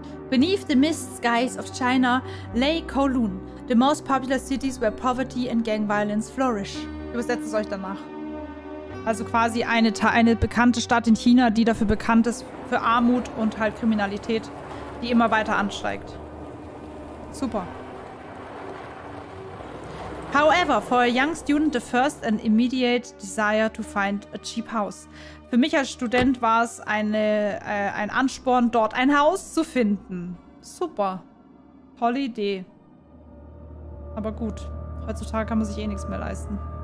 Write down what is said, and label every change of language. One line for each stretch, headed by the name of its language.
English: Beneath the mist skies of China lay Kowloon, the most populous cities where poverty and gang violence flourish.
German: Übersetzt es euch danach. Also quasi eine bekannte Stadt in China, die dafür bekannt ist, für Armut und halt Kriminalität, die immer weiter ansteigt. Super.
English: However, for a young student, the first and immediate desire to find a cheap house.
German: Für mich als Student war es ein Ansporn, dort ein Haus zu finden. Super. Tolle Idee. Aber gut, heutzutage kann man sich eh nichts mehr leisten.